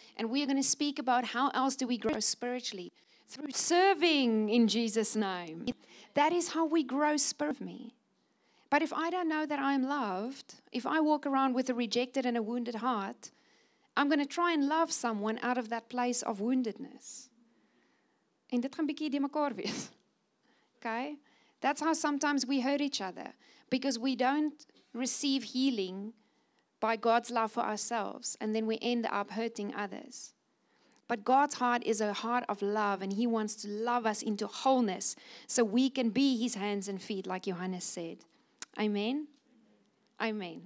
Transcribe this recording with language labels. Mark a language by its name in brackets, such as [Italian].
[English] And we are going to speak about how else do we grow spiritually. Through serving in Jesus' name. That is how we grow spiritually. But if I don't know that I'm loved, if I walk around with a rejected and a wounded heart, I'm going to try and love someone out of that place of woundedness. [Afrikaans] En dit gaan bietjie die mekaar wees. [English] Okay? That's how sometimes we hurt each other. Because we don't receive healing by God's love for ourselves. And then we end up hurting others. But God's heart is a heart of love. And He wants to love us into wholeness. So we can be His hands and feet, like Johannes said. Amen? Amen.